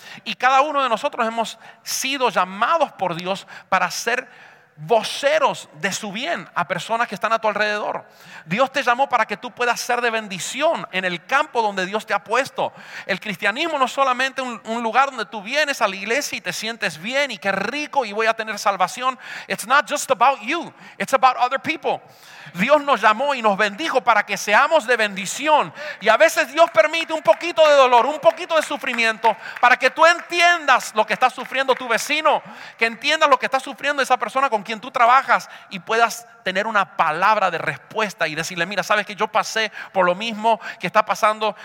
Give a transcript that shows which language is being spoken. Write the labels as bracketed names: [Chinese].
[Spanish] Y cada uno de nosotros hemos sido llamados por Dios para ser voceros de su bien a personas que están a tu alrededor. Dios te llamó para que tú puedas ser de bendición en el campo donde Dios te ha puesto. El cristianismo no es solamente un lugar donde tú vienes a la iglesia y te sientes bien y qué rico y voy a tener salvación. [English] It's not just about you, it's about other people. [Spanish] Dios nos llamó y nos bendijo para que seamos de bendición. Y a veces Dios permite un poquito de dolor, un poquito de sufrimiento, para que tú entiendas lo que está sufriendo tu vecino, que entiendas lo que está sufriendo esa persona con quien tú trabajas y puedas tener una palabra de respuesta y decirle, mira, sabes que yo pasé por lo mismo que está pasando.